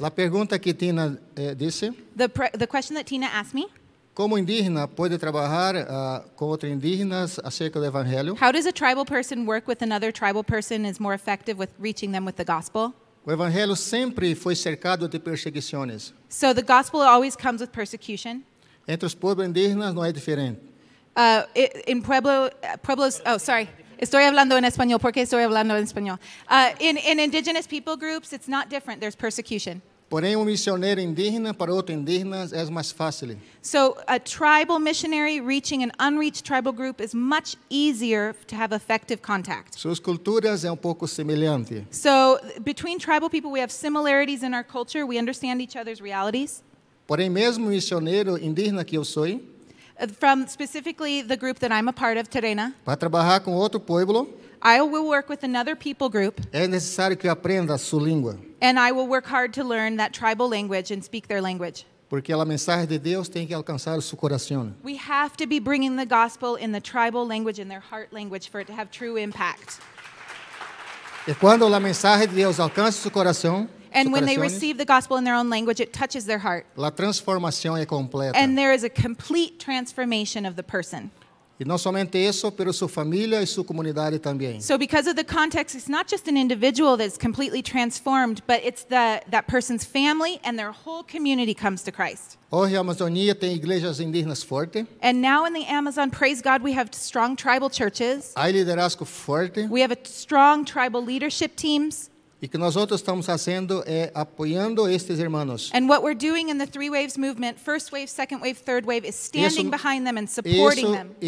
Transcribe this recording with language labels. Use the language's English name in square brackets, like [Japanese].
[Portuguese] La pergunta que Tina disse. [English] The question that Tina asked me. [Spanish] Como indígena puede trabajar con otros indígenas acerca del evangelio? [English] How does a tribal person work with another tribal person is more effective with reaching them with the gospel? [Portuguese] O evangelho sempre foi cercado de perseguições. [English] So the gospel always comes with persecution. [Portuguese] Entre os pueblos indígenas não é diferente. [Spanish] In pueblos, [English] oh sorry, [Spanish] estoy hablando en español. ¿Por qué estoy hablando en español? [English] In indigenous people groups, it's not different. There's persecution. [Portuguese] Porém, missionário indígena para outro indígena é mais fácil. [English] So a tribal missionary reaching an unreached tribal group is much easier to have effective contact. [Portuguese] Suas culturas é pouco semelhante. [English] So between tribal people, we have similarities in our culture. We understand each other's realities. [Portuguese] Porém, mesmo missionário indígena que eu sou. [English] From specifically the group that I'm a part of, Terena. [Portuguese] Para trabalhar com outro povo. [English] I will work with another people group. [Portuguese] É necessário que aprenda a sua língua. [English] And I will work hard to learn that tribal language and speak their language. [Portuguese] Porque a mensagem de Deus tem que alcançar o seu coração. [English] We have to be bringing the gospel in the tribal language, in their heart language, for it to have true impact. [Portuguese] E quando a mensagem de Deus alcança o seu coração, [English] and when they receive the gospel in their own language, it touches their heart. [Portuguese] La transformação é completa. [English] And there is a complete transformation of the person. [Portuguese] E não somente isso, pero sua família e sua comunidade também. [English] So because of the context, it's not just an individual that's completely transformed, but it's that person's family and their whole community comes to Christ. [Portuguese] Hoje a Amazônia tem igrejas indígenas fortes. [English] And now in the Amazon, praise God, we have strong tribal churches. [Portuguese] Há liderazgo forte. [English] We have a strong tribal leadership teams. [Portuguese] E que nós outros estamos fazendo é apoiando estes irmãos. [English] And what we're doing in the three waves movement, first wave, second wave, third wave, is standing behind them and supporting them.